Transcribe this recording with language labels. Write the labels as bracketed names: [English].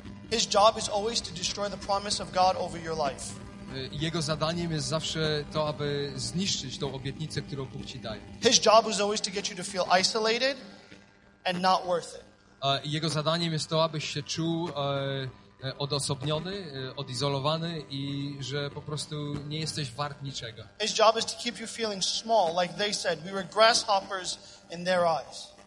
[English] His job is always to destroy the promise of God over your life. [Polish] Jego zadaniem jest zawsze to, aby zniszczyć tą obietnicę, którą Bóg ci daje. [English] His job is always to get you to feel isolated and not worth it. [Polish] Jego zadaniem jest to, abyś się czuł odosobniony, odizolowany i że po prostu nie jesteś wart niczego. [English] His job is to keep you feeling small, like they said, we were grasshoppers in their eyes.